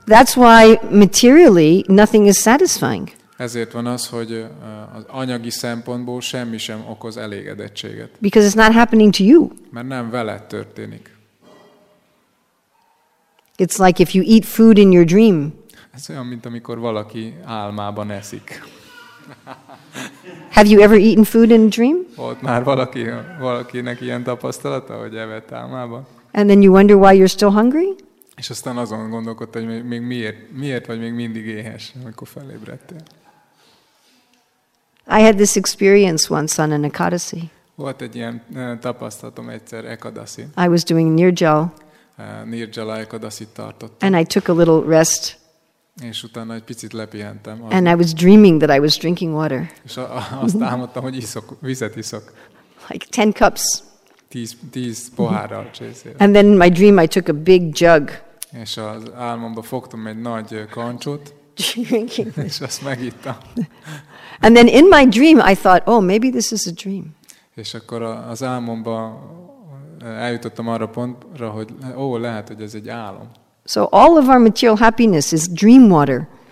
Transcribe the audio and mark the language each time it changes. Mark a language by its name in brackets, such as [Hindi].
[English] That's why materially nothing is satisfying. [Hungarian] Ezért van az, hogy az anyagi szempontból semmi sem okoz elégedettséget. [English] Because it's not happening to you. [Hungarian] Mert nem veled történik. [English] It's like if you eat food in your dream. [Hungarian] Ez olyan, mint amikor valaki álmában eszik. [English] Have you ever eaten food in a dream? [Hungarian] Volt már valakinek ilyen tapasztalata, hogy evett álmában. [English] And then you wonder why you're still hungry? [Hungarian] És aztán azon gondolkodtam, hogy még miért vagy még mindig éhes, amikor felébredtél. [English] I had this experience once on an Ekadasi. [Hungarian] Volt egy ilyen tapasztalatom egyszer Ekadasin. [English] I was doing Nirjal. [Hungarian] Nirjala Ekadasit tartottam. [English] And I took a little rest. [Hungarian] És utána egy picit lepihentem. [English] And I was dreaming that I was drinking water. [Hungarian] És azt álmodtam, hogy iszok, vizet iszok. [English] Like 10 cups. [Hungarian] 10 pohárral csészél. [English] And then in my dream I took a big jug. [Hungarian] És az álmomban fogtam egy nagy kancsot. [English] Drinking. [Hungarian] És azt megittam. [English] And then in my dream I thought, oh, maybe this is a dream. [Hungarian] És akkor az álmomban eljutottam arra pontra, hogy ó, lehet, hogy ez egy álom. [English] So all of our material happiness is dream water.